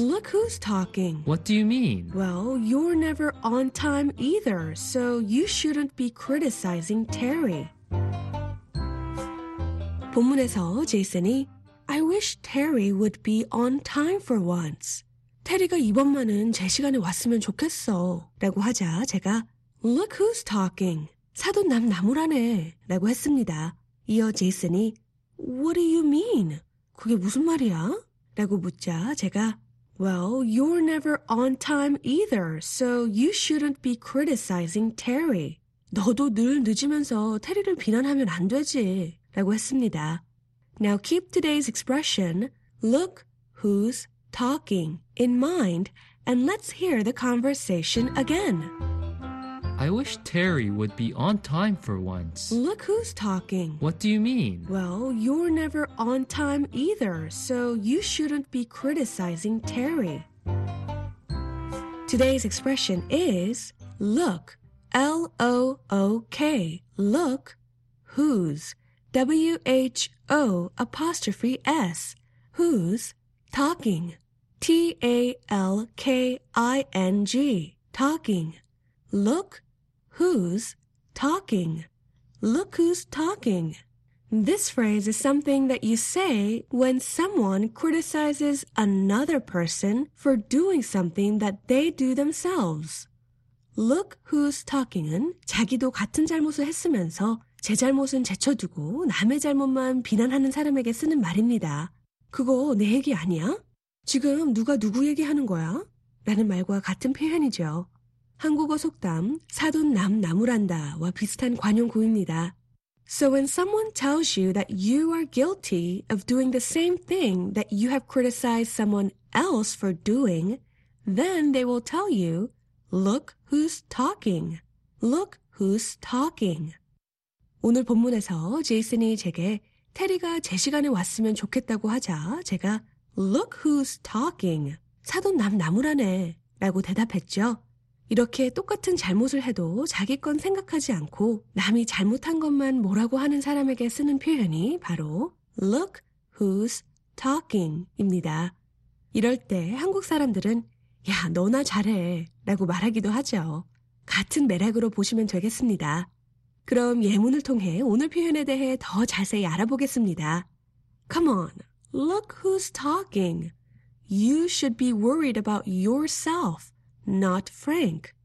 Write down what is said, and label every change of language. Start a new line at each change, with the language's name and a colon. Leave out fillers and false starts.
English: Look who's talking. What do you mean? Well, you're never on time either, so you shouldn't be criticizing Terry.
Korean: 본문에서 제이슨이,
English: I wish Terry would be on time for once.
Korean: 테리가 이번만은 제 시간에 왔으면 좋겠어 라고 하자 제가
English: Look who's talking.
Korean: 사돈 남 나무라네 라고 했습니다. 이어 제이슨이
English: What do you mean?
Korean: 그게 무슨 말이야? 라고 묻자 제가
English: Well, you're never on time either, so you shouldn't be criticizing Terry.
Korean: 너도 늘 늦으면서 테리를 비난하면 안 되지 라고 했습니다.
English: Now keep today's expression Look who's talking in mind, and let's hear the conversation again. I wish Terry would be on time for once. Look who's talking. What do you mean? Well, you're never on time either, so you shouldn't be criticizing Terry. Today's expression is look, L-O-O-K, look, who's, W-H-O apostrophe S, who's talking. T-A-L-K-I-N-G, talking. Look who's talking. Look who's talking. This phrase is something that you say when someone criticizes another person for doing something that they do themselves. Look who's talking
Korean: 은 자기도 같은 잘못을 했으면서 제 잘못은 제쳐두고 남의 잘못만 비난하는 사람에게 쓰는 말입니다. 그거 내 얘기 아니야? 지금 누가 누구 얘기하는 거야? 라는 말과 같은 표현이죠. 한국어 속담 사돈 남 나무란다와 비슷한 관용구입니다.
English: So when someone tells you that you are guilty of doing the same thing that you have criticized someone else for doing, then they will tell you, look who's talking. Look who's talking.
Korean: 오늘 본문에서 제이슨이 제게 테리가 제 시간에 왔으면 좋겠다고 하자 제가
English: Look who's talking.
Korean: 사돈 남 나무라네 라고 대답했죠. 이렇게 똑같은 잘못을 해도 자기 건 생각하지 않고 남이 잘못한 것만 뭐라고 하는 사람에게 쓰는 표현이 바로
English: Look who's talking
Korean: 입니다. 이럴 때 한국 사람들은 야 너나 잘해 라고 말하기도 하죠. 같은 매력으로 보시면 되겠습니다. 그럼 예문을 통해 오늘 표현에 대해 더 자세히 알아보겠습니다.
English: Come on. Look who's talking. You should be worried about yourself, not Frank.